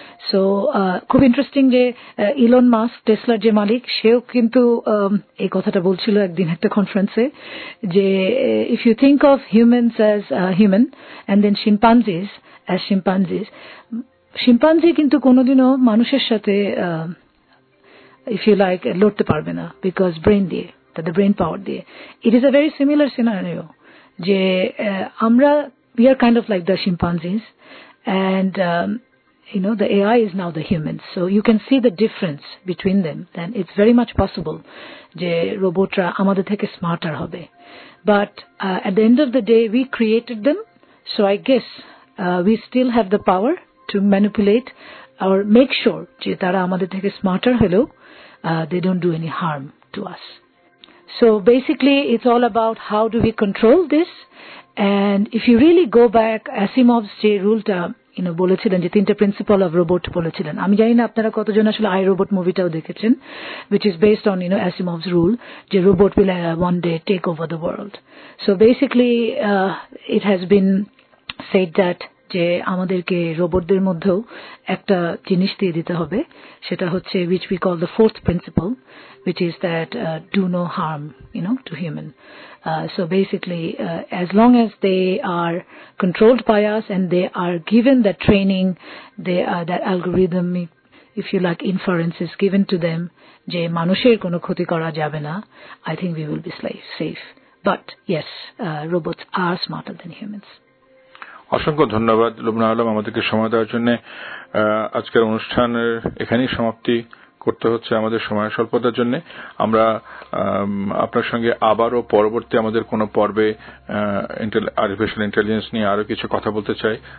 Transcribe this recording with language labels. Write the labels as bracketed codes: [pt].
[bn] So খুব interesting যে Elon Musk, টেসলার যে মালিক, সেও কিন্তু এই কথাটা বলছিল একদিন একটা কনফারেন্সে, যে [en] if you think of humans as human and then chimpanzees as chimpanzees, [bn] chimpanzee কিন্তু কোনোদিনও মানুষের সাথে ইফ ইউ লাইক লড়তে পারবে না, বিকজ ব্রেন দিয়ে, তাদের ব্রেন পাওয়ার দিয়ে। [en] it is a very similar scenario, [bn] যে আমরা [en] We are kind of like the chimpanzees and you know, the AI is now the humans. So you can see the difference between them. Then it's very much possible [bn] je robotra amader theke smarter hobe. [en] But at the end of the day, we created them. So I guess we still have the power to manipulate or make sure [bn] je tara amader theke smarter holo, [en] they don't do any harm to us. So basically, it's all about how do we control this. And if you really go back, [bn] Asimov's je rule ta, বলেছিলেন যে তিনটা principal of robot বলেছিলেন, আমি জানি না আপনারা কতজন আসলে আই রোবট মুভিটাও দেখেছেন, [en] Which is based on Asimov's rule, যে robot will one day take over the world. So basically it has been said that [bn] যে আমাদেরকে রোবটদের মধ্যেও একটা জিনিস দিয়ে দিতে হবে, সেটা হচ্ছে [en] Which we call the fourth principle, which is that do no harm to human. So basically, as long as they are controlled by us and they are given that training, they are that algorithm, if you like, inference is given to them, [bn] je manusher kono khoti kora jabe na, [en] I think we will be safe. But yes, robots are smarter than humans. [bn] অসংখ্য ধন্যবাদ লুবনা আলম আমাদেরকে সময় দেওয়ার জন্য। আজকের অনুষ্ঠানের এখানেই সমাপ্তি করতে হচ্ছে আমাদের সময় স্বল্পতার জন্য। আমরা আপনার সঙ্গে আবারও পরবর্তী আমাদের কোন পর্বে আর্টিফিশিয়াল ইন্টেলিজেন্স নিয়ে আরো কিছু কথা বলতে চাই।